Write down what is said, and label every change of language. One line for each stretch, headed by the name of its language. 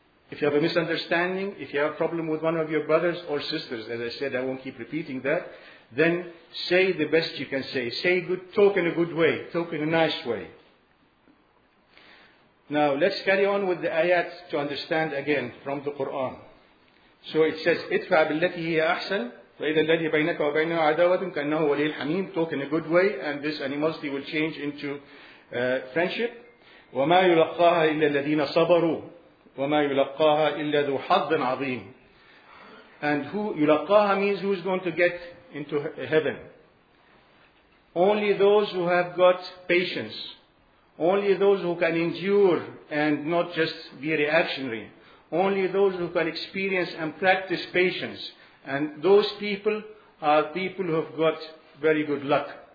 English: If you have a misunderstanding, if you have a problem with one of your brothers or sisters, as I said, I won't keep repeating that, then say the best you can say. Say good, talk in a good way, talk in a nice way. Now let's carry on with the ayat to understand again from the Quran. So it says,
Arabic: اتفع بالتي هي أحسن فإذا الذي بينك وبينه عداوة كأنه ولي الحميم.
English: Talk in a good way and this animosity will change into friendship.
Arabic: وما يلقاها إلا الذين صبروا وما يلقاها إلا ذو حظ عظيم.
English: And who يلقاها means who is going to get into heaven. Only those who have got patience. Only those who can endure and not just be reactionary. Only those who can experience and practice patience. And those people are people who have got very good luck.